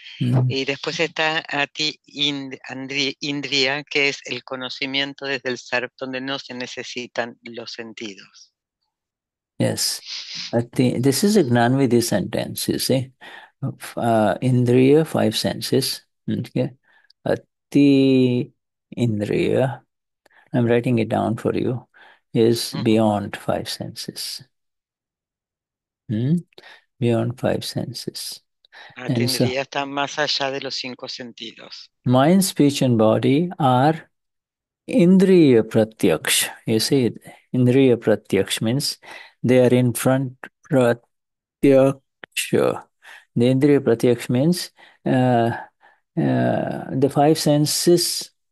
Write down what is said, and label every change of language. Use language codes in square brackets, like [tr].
[es] Y después está a ti indriya, que es el conocimiento desde el ser, donde no se necesitan los sentidos. [en] Yes, this is a gnanvidhi sentence, you see. Indriya, five senses. Okay. A ti indriya, I'm writing it down for you, is beyond five senses. Beyond five senses. [es] Atendría está más allá de los cinco sentidos. [en] Mind, speech, and body are indriya pratyaksh. You see, indriya pratyaksh means they are in front pratyaksh. The indriya pratyaksh means the five senses.